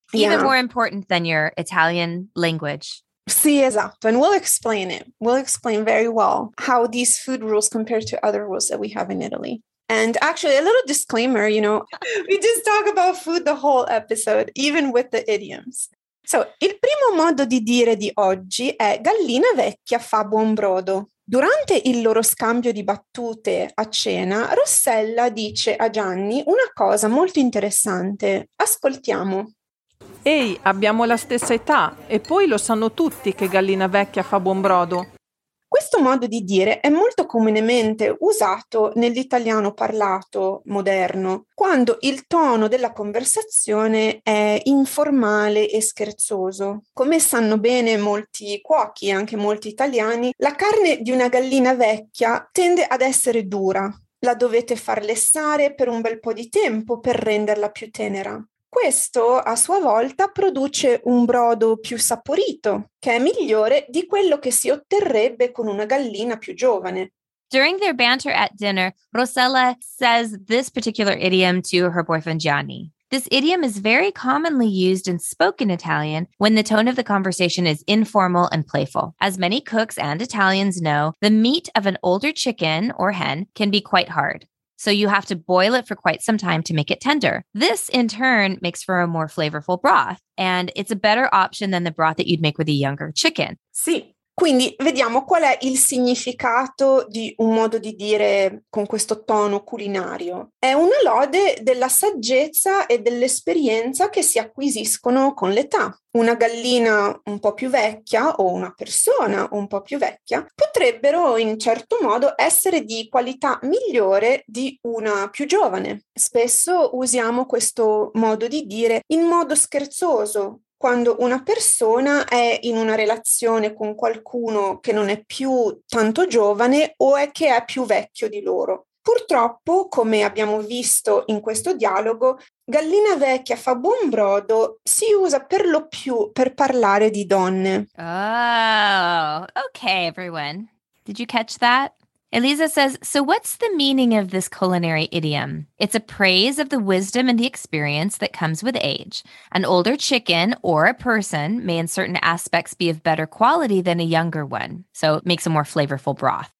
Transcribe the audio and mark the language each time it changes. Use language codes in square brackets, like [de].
[en] Even yeah. More important than your Italian language. [it] Sì, esatto. [en] And we'll explain it. We'll explain very well how these food rules compare to other rules that we have in Italy. And actually, a little disclaimer, you know, we just talk about food the whole episode, even with the idioms. [it] So, il primo modo di dire di oggi è gallina vecchia fa buon brodo. Durante il loro scambio di battute a cena, Rossella dice a Gianni una cosa molto interessante. Ascoltiamo. Ehi, abbiamo la stessa età e poi lo sanno tutti che gallina vecchia fa buon brodo. Questo modo di dire è molto comunemente usato nell'italiano parlato moderno, quando il tono della conversazione è informale e scherzoso. Come sanno bene molti cuochi, anche molti italiani, la carne di una gallina vecchia tende ad essere dura. La dovete far lessare per un bel po' di tempo per renderla più tenera. Questo, a sua volta, produce un brodo più saporito, che è migliore di quello che si otterrebbe con una gallina più giovane. [en] During their banter at dinner, Rossella says this particular idiom to her boyfriend Gianni. This idiom is very commonly used and spoken Italian when the tone of the conversation is informal and playful. As many cooks and Italians know, the meat of an older chicken or hen can be quite hard, so you have to boil it for quite some time to make it tender. This, in turn, makes for a more flavorful broth, and it's a better option than the broth that you'd make with a younger chicken. [it] Sì. Quindi vediamo qual è il significato di un modo di dire con questo tono culinario. È una lode della saggezza e dell'esperienza che si acquisiscono con l'età. Una gallina un po' più vecchia o una persona un po' più vecchia potrebbero in certo modo essere di qualità migliore di una più giovane. Spesso usiamo questo modo di dire in modo scherzoso, quando una persona è in una relazione con qualcuno che non è più tanto giovane o è che è più vecchio di loro. Purtroppo, come abbiamo visto in questo dialogo, gallina vecchia fa buon brodo si usa per lo più per parlare di donne. [en] Oh, okay, everyone. Did you catch that? Elisa says, so what's the meaning of this culinary idiom? It's a praise of the wisdom and the experience that comes with age. An older chicken or a person may in certain aspects be of better quality than a younger one, so it makes a more flavorful broth.